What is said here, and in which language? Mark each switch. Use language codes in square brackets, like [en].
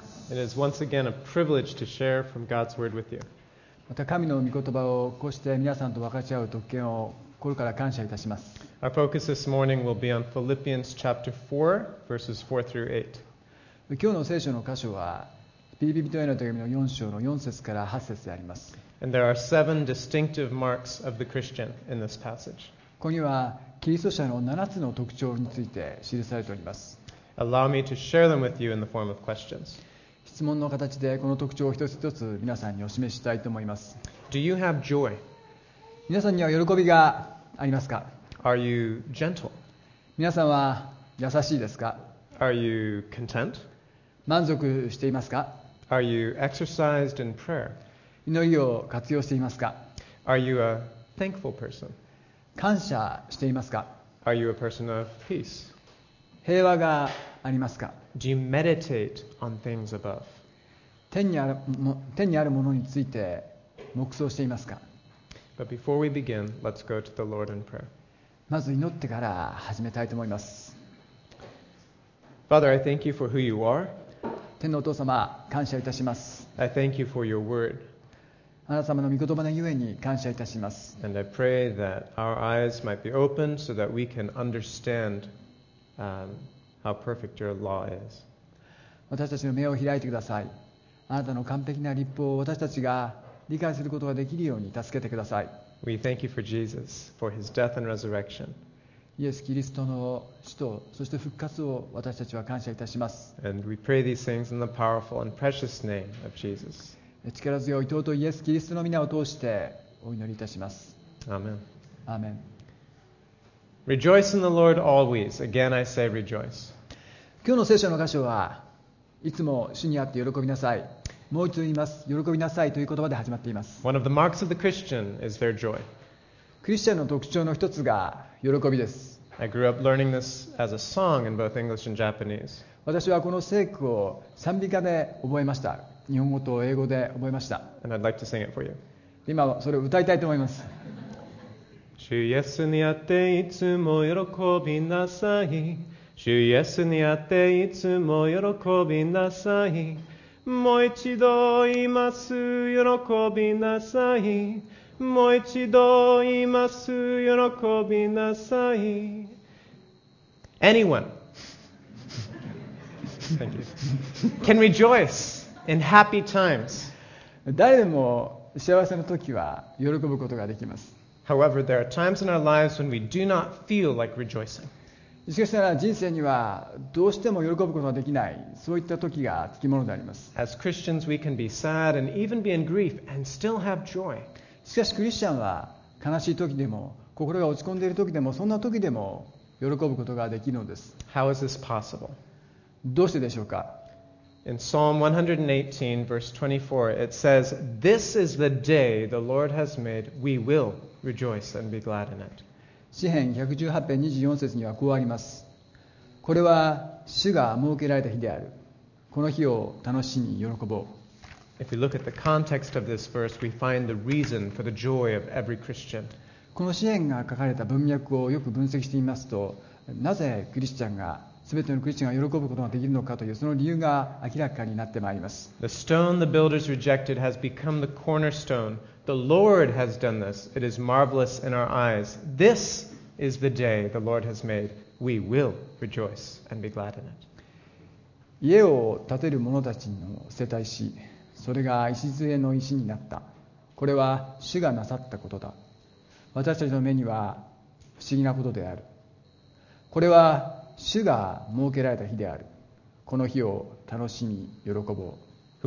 [en] It is once again a privilege to share from God's word with you. [ja] また神の御言葉をこうして皆さんと分かち合う特権を心から感謝いたします。 [en] Our focus this morning will be on Philippians chapter 4, verses 4 through 8. [ja] 今日の聖書の箇所は、ピリピ人への手紙の4章の4節から8節であります。 [en] And there are seven distinctive marks of the Christian in this passage. [ja] ここにはキリスト者の7つの特徴について記されております。 [en] Allow me to share them with you in the form of questions. [ja] 質問の形でこの特徴を一つ一つ皆さんにお示ししたいと思います。 [en] Do you have joy? [ja] 皆さんには喜びがありますか? [en] Are you gentle? [ja] 皆さんは優しいですか? [en] Are you content? [ja] 満足していますか? [en] Are you exercised in prayer? [ja] 祈りを活用していますか? [en] Are you a thankful person? [ja] 感謝していますか? [en] Are you a person of peace? [ja] 平和がありますか? [en] Do you meditate on things above? [ja] 天にあるものについて黙想していますか? [en] But before we begin, let's go to the Lord in prayer. [ja] まず祈ってから始めたいと思います。 [en] Father, I thank you for who you are. [ja] 天のお父様、感謝いたします。 [en] I thank you for your word. [ja] あなた様の御言葉のゆえに感謝いたします。 [en] And I pray that our eyes might be opened so that we can understand. How perfect your law is. [ja] 私たちの目を開いてください。あなたの完璧な律法を私たちが理解することができるように助けてください。 [en] We thank you for Jesus, for his death and resurrection. [ja] イエス・キリストの死とそして復活を私たちは感謝いたします。 [en] And we pray these things in the powerful and precious name of Jesus. [ja] 力強い尊いイエス・キリストの皆を通してお祈りいたします。 [en] Amen. Amen. Rejoice in the Lord always. Again, I say rejoice. [ja] 今日の聖書の箇所は、いつも主にあって喜びなさい。もう一度言います。喜びなさいという言葉で始まっています。 [en] One of the marks of the Christian is their joy. [ja] クリスチャンの特徴の一つが喜びです。 [en] I grew up learning this as a song in both English and Japanese. [ja] 私はこの聖句を賛美歌で覚えました。日本語と英語で覚えました。 [en] And I'd like to sing it for you. [ja] 今はそれを歌いたいと思います。主イエスにあっていつも喜びなさい。主イエスにあっていつも喜びなさい。もう一度言います、喜びなさい。もう一度言います、喜びなさい。 [en] Anyone can rejoice in happy times. [ja] 誰でも幸せの時は喜ぶことができます。 [en] However, there are times in our lives when we do not feel like rejoicing. [ja] しかしながら人生にはどうしても喜ぶことはできない、そういった時がつきものであります。 [en] As Christians, we can be sad and even be in grief and still have joy. [ja] しかしクリスチャンは悲しい時でも、心が落ち込んでいる時でも、そんな時でも喜ぶことができるのです。 [en] How is this possible? [ja] どうしてでしょうか? [en] In Psalm 118, verse 24, it says, "This is the day the Lord has made. We will." Rejoice and be glad in it. [ja] 詩編118編24節にはこうあります。これは主が設けられた日である。この日を楽しみ喜ぼう。 [en] If we look at the context of this verse, we find the reason for the joy of every Christian. [ja] この詩編が書かれた文脈をよく分析してみますと、なぜクリスチャンが、すべてのクリスチャンが喜ぶことができるのかというその理由が明らかになってまいります。 [en] The stone the builders rejected has become the cornerstone. The Lord has done this. It is marvelous in our eyes. This is the day the Lord has made. We will rejoice and be glad in it. [ja] 家を建てる者たちの世帯し、それが礎の石になった。これは主がなさったことだ。私たちの目には不思議なことである。これは主が設けられた日である。この日を楽しみ喜ぼう。